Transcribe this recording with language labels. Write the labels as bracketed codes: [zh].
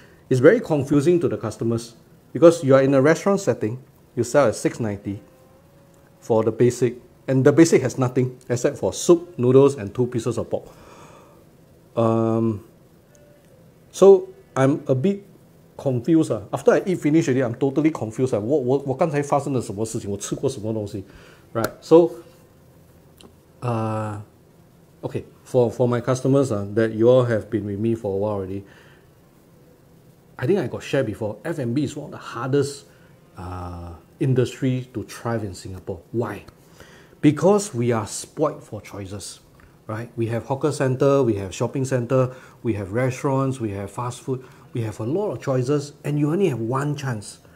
[en] It's very confusing to the customers. Because you are in a restaurant setting, you sell at $6.90 for the basic. And the basic has nothing except for soup, noodles, and two pieces of pork. So I'm a bit confused. After I eat finish already, I'm totally confused. [zh] 我刚才发生了什么事情？我吃过什么东西？ [en] Right. So, okay. For my customers that you all have been with me for a while already, I think I got shared before. F&B is one of the hardest industry to thrive in Singapore. Why? Because we are spoiled for choices, right? We have hawker center, we have shopping center, we have restaurants, we have fast food, we have a lot of choices, and you only have one chance.